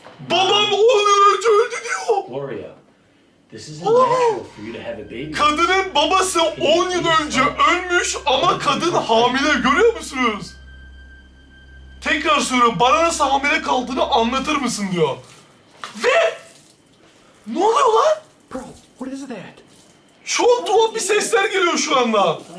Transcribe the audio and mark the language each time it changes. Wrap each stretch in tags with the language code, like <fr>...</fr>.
<tr>Babam 10 yıl önce öldü diyor.</tr> <en>Gloria, this is natural for you to have a baby.</en> <tr>Kadının babası 10 yıl önce ölmüş ama kadın hamile, görüyor musunuz? Tekrar soruyorum, bana nasıl hamile kaldığını anlatır mısın diyor. Ve... Ne oluyor lan?</tr> <en>Bro, what is that?</en> <tr>Çok tuhaf bir sesler geliyor şu anda.</tr>